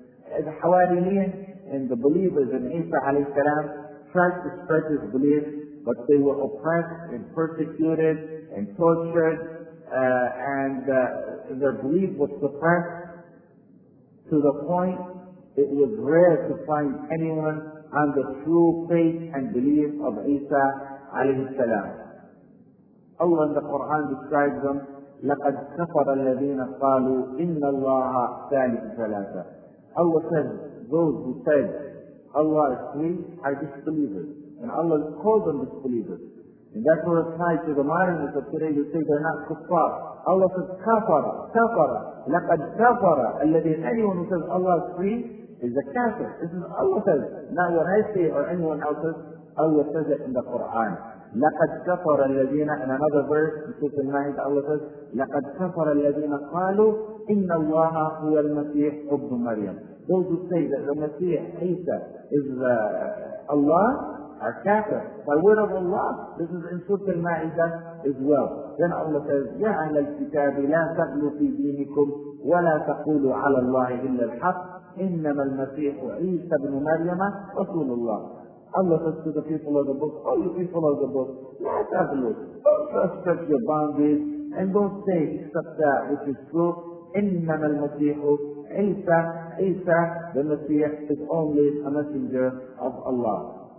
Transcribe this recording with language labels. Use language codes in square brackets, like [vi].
[en] The Hawariyin and the believers in Isa alayhi salam tried to spread this belief, but they were oppressed and persecuted and tortured, and their belief was suppressed to the point it was rare to find anyone on the true faith and belief of Isa alayhi salam. Allah in the Quran describes them, [ar] لَقَدْ كَفَرَ الَّذِينَ قَالُوا إِنَّ اللَّهَ ثَالِثُ ثَلَاثَةٍ. [en] Allah says, those who said Allah is three are disbelievers. And Allah called them disbelievers. And that's what applies to the modernists of today. You say they're not kuffar. Allah says, [ar] كَفَرَ كَفَرَ لَقَدْ كَفَرَ الَّذِينَ. [en] Anyone who says Allah is three is a kafir. This is Allah says, not what I say or anyone else says. Allah says it in the Quran. [ar] لَقَدْ كَفَرَ الَّذِينَ. [en] In another verse, in Surah Al-Ma'id, Allah says, [ar] لَقَدْ كَفَرَ الَّذِينَ قَالُوا إِنَّ اللَّهَ هُوَ الْمَسِيحُ ابْنُ مَرْيَمَ. [en] Those who say that the Messiah, Isa, is Allah, are kafir. By word of Allah, this is in Surah Al-Ma'id as well. Then Allah says, [ar] يَا أَهْلَ الْكِتَابِ لَا تَغْلُوا فِي دِينِكُمْ وَلَا تَقُولُوا عَلَى اللَّهِ إِلَّا الْحَقَّ إِنَّمَا الْمَسِيحُ عِيسَى ابْنُ مَرْيَمَ رَسُولُ اللَّهِ. [en] Allah says to the people of the book, all the people of the book, let us look. Don't stretch your boundaries and don't say except that which is true. [ar] إِنَّمَا الْمَسِيحُ عِيسَى. [en] عِيسَى, the Messiah, is only a messenger of Allah.